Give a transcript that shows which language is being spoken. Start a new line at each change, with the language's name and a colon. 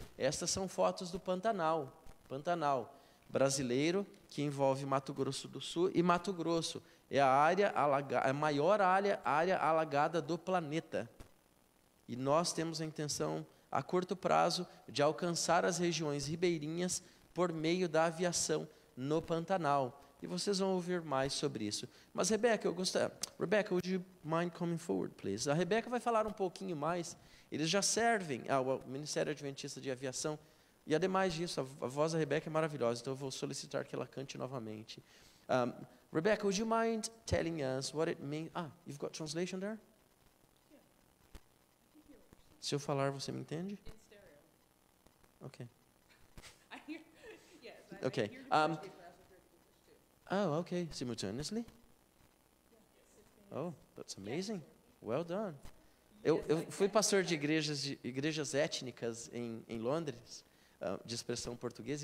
Portuguese: Estas são fotos do Pantanal brasileiro, que envolve Mato Grosso do Sul, e Mato Grosso é a maior área alagada do planeta. E nós temos a intenção, a curto prazo, de alcançar as regiões ribeirinhas por meio da aviação no Pantanal. E vocês vão ouvir mais sobre isso. Mas, Rebeca, eu gostaria...
English: Rebeca, would you mind coming forward, please?
Portuguese: A Rebeca vai falar um pouquinho mais. Eles já servem ao Ministério Adventista de Aviação. E, ademais disso, a voz da Rebeca é maravilhosa, então eu vou solicitar que ela cante novamente.
English: Rebeca, would you mind telling us what it means... Ah, you've got translation there?
Portuguese: Se eu falar, você me entende?
English: In stereo. Okay. Yes, okay. Oh, okay. Simultaneously? Oh, that's amazing. Well done.
Portuguese: Eu fui pastor de igrejas étnicas em Londres, de expressão portuguesa.